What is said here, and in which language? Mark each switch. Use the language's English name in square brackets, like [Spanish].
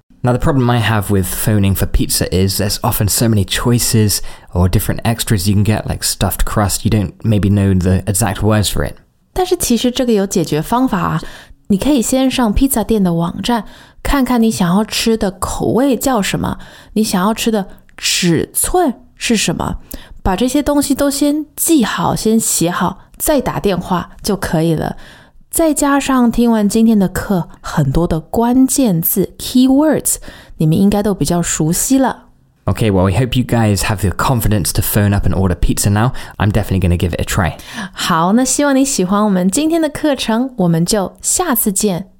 [English] Now the problem I have with phoning for pizza is there's often so many choices or different extras you can get like stuffed crust, you don't maybe know the exact words for it. [Chinese] 但是其实这个有解决方法啊，你可以先上披萨店的网站，看看你想要吃的口味叫什么，你想要吃的尺寸是什么，把这些东西都先记好，先写好，再打电话就可以了。再加上听完今天的课，很多的关键字 keywords， 你们应该都比较熟悉了。 [English] Okay, well, we hope you guys have the confidence to phone up and order pizza now. I'm definitely going to give it a try. [Chinese] 好，那希望你喜欢我们今天的课程，我们就下次见，